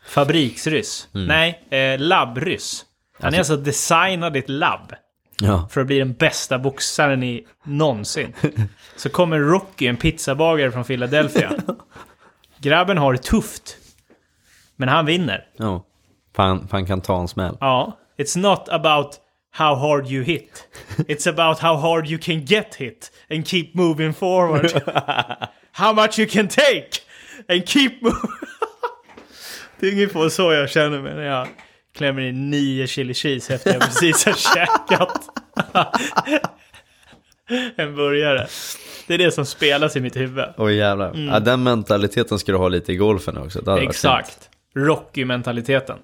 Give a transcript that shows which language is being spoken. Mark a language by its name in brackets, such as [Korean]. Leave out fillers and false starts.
[Swedish] Fabriksryss. Mm. Nej, labbryss. Han är alltså designad ett labb, ja, för att bli den bästa boxaren i någonsin. Så kommer Rocky, en pizzabagare från Philadelphia. Grabben har det tufft, men han vinner. Ja. Fan kan ta en smäll. [English] Ja, it's not about how hard you hit. It's about how hard you can get hit and keep moving forward. How much you can take and keep moving. [Swedish] Det är ungefär så jag känner mig när jag klämmer in 9 chili cheese efter jag precis har käkat en burgare. Det är det som spelas i mitt huvud. Åh jävlar. Mm. Ja, den mentaliteten ska du ha lite i golfen också. Det hade exakt. Rocky-mentaliteten.